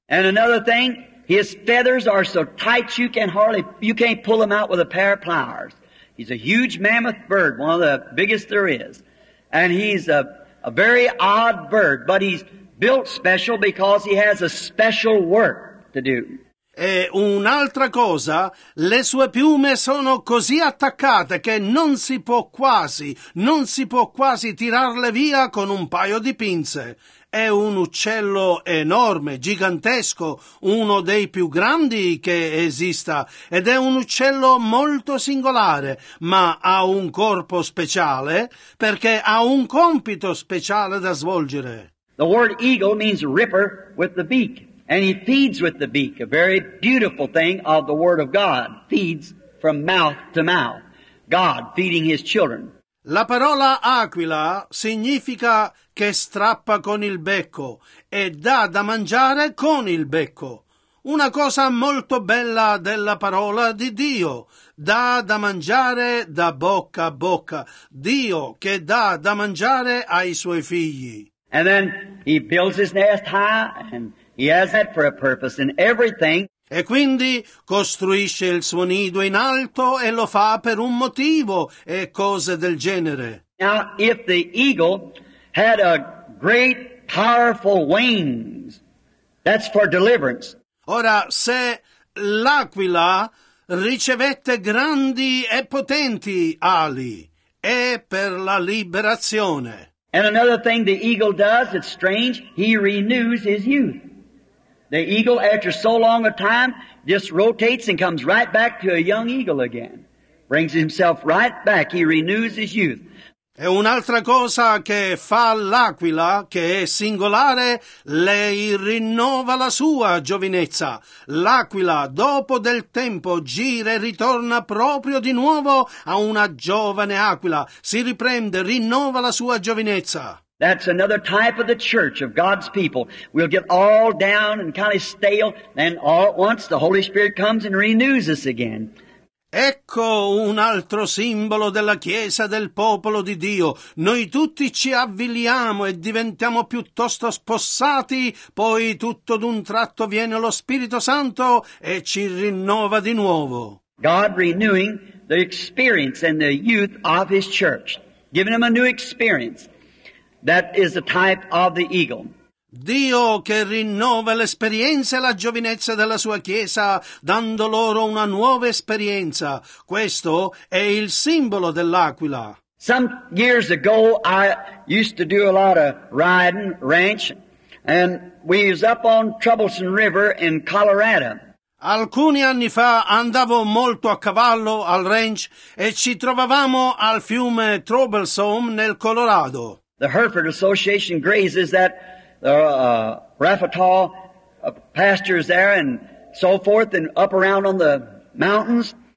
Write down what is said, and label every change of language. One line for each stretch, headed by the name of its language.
English: And another thing, his feathers are so tight you can't pull them out with a pair of pliers. He's a huge mammoth bird, one of the biggest there is. And he's a very odd bird, but he's built special because he has a special work to do.
Italian: E un'altra cosa, le sue piume sono così attaccate che non si può quasi tirarle via con un paio di pinze. È un uccello enorme, gigantesco, uno dei più grandi che esista, ed è un uccello molto singolare, ma ha un corpo speciale perché ha un compito speciale da svolgere.
English: The word eagle means ripper with the beak. And he feeds with the beak, a very beautiful thing of the Word of God, feeds from mouth to mouth, God feeding his children.
Italian: La parola aquila significa che strappa con il becco e dà da mangiare con il becco. Una cosa molto bella della parola di Dio, dà da mangiare da bocca a bocca, Dio che dà da mangiare ai suoi figli.
English: And then he builds his nest high and he has that for a purpose in everything.
Italian: E quindi costruisce il suo nido in alto e lo fa per un motivo e cose del genere.
English: Now, if the eagle had a great powerful wings, that's for deliverance.
Italian: Ora, se l'aquila ricevette grandi e potenti ali, è per la liberazione.
English: And another thing the eagle does, it's strange, he renews his youth. The eagle, after so long a time, just rotates and comes right back to a young eagle again. Brings himself right back. He renews his youth.
Italian: E un'altra cosa che fa l'aquila, che è singolare, lei rinnova la sua giovinezza. L'aquila, dopo del tempo, gira e ritorna proprio di nuovo a una giovane aquila. Si riprende, rinnova la sua giovinezza.
English: That's another type of the church of God's people. We'll get all down and kind of stale, and all at once the Holy Spirit comes and renews us again.
Italian: Ecco un altro simbolo della Chiesa del popolo di Dio. Noi tutti ci avviliamo e diventiamo piuttosto spossati, poi tutto d'un tratto viene lo Spirito Santo e ci rinnova di nuovo.
English: God renewing the experience and the youth of His church, giving them a new experience. That is the type of the eagle.
Italian: Dio che rinnova l'esperienza e la giovinezza della sua chiesa, dando loro una nuova esperienza. Questo è il simbolo dell'aquila.
English: Some years ago, I used to do a lot of riding, ranch, and we was up on Troublesome River in Colorado.
Italian: Alcuni anni fa andavo molto a cavallo al ranch e ci trovavamo al fiume Troublesome nel Colorado.
English: The Hereford Association grazes that Raphatal pastures there and so forth and up around on the mountains.